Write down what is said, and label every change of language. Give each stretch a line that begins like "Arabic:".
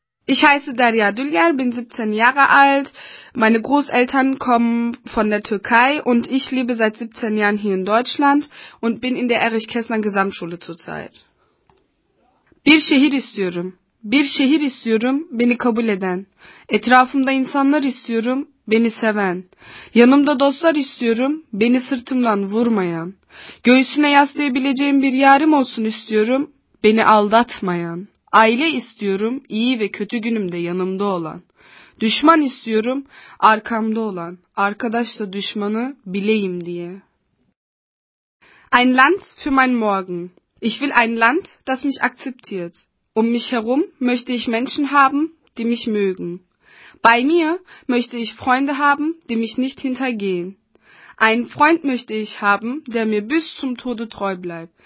German: Ich heiße Derya Dülger, bin 17 Jahre alt. Meine Großeltern kommen von der Türkei und ich lebe seit 17 Jahren hier in Deutschland und bin in der Erich-Kästner-Gesamtschule zurzeit.
Turkish: Bir şehir istiyorum. Bir şehir istiyorum, beni kabul eden. Etrafımda insanlar istiyorum, beni seven. Yanımda dostlar istiyorum, beni sırtımdan vurmayan. Göğsüne yaslayabileceğim bir yarım olsun istiyorum, beni aldatmayan. Aile istiyorum, iyi ve kötü günümde yanımda olan. Düşman istiyorum, arkamda olan. Arkadaş da düşmanı bileyim diye.
German: Ein Land für mein Morgen. Ich will ein Land, das mich akzeptiert. Um mich herum möchte ich Menschen haben, die mich mögen. Bei mir möchte ich Freunde haben, die mich nicht hintergehen. Einen Freund möchte ich haben, der mir bis zum Tode treu bleibt.